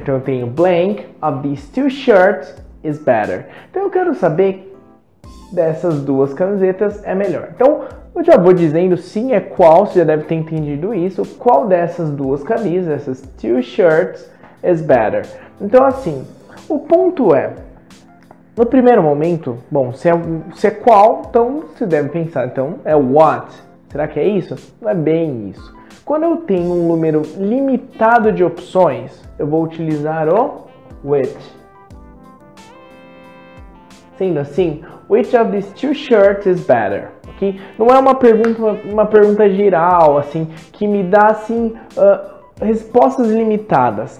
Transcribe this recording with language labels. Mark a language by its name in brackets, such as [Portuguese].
[English] Então, eu tenho blank, of these two shirts is better. [Portuguese] Então, eu quero saber dessas duas camisetas é melhor. Então, eu já vou dizendo sim, é qual, você já deve ter entendido isso. Qual dessas duas camisas, essas two shirts, is better? Então, assim, o ponto é, no primeiro momento, bom, se é qual, então você deve pensar, então é what? Será que é isso? Não é bem isso. Quando eu tenho um número limitado de opções, eu vou utilizar o which. [English] Sendo assim, which of these two shirts is better? Ok? [Portuguese] Não é uma pergunta geral, assim, que me dá assim, respostas limitadas.